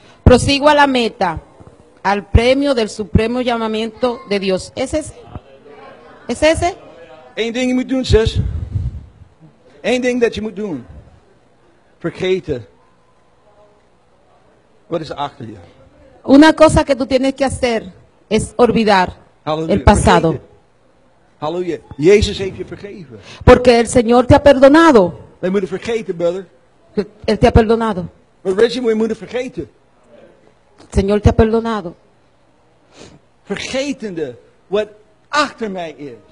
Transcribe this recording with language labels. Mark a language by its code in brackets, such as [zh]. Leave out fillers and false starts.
[es] Prosigo a la meta, al premio del supremo llamamiento de Dios. ¿Es ese? ¿Es ese? [nl] Eén ding je moet doen, zus. Eén ding dat je moet doen. Vergeten. Wat is achter je? [es] Una cosa que tú tienes que hacer es olvidar el pasado. [en] Hallelujah. [nl] Jezus heeft je vergeven. [es] Porque el Señor te ha perdonado. [nl] We moeten vergeten, brother. [es] Él te ha perdonado. [en] But [nl] Reggie, we moeten vergeten. [es] El Señor te ha perdonado. [nl] Vergetende what achter mij is.